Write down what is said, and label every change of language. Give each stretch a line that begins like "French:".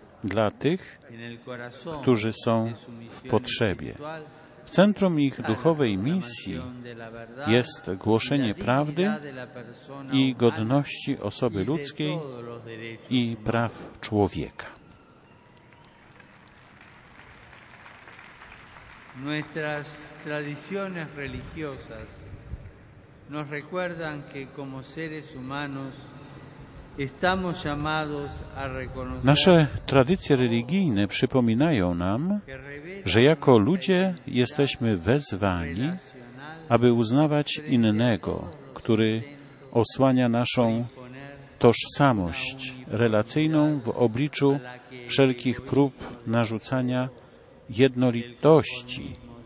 Polish: dla tych, którzy są w potrzebie. W centrum ich duchowej misji jest głoszenie prawdy i godności osoby ludzkiej i praw człowieka.
Spanish: Nuestras tradiciones religiosas nos recuerdan que como seres humanos estamos llamados a reconocer.
Polish: Nasze tradycje religijne przypominają nam, że jako ludzie jesteśmy wezwani, aby uznawać innego, który osłania naszą tożsamość relacyjną w obliczu wszelkich prób narzucania jednolitości,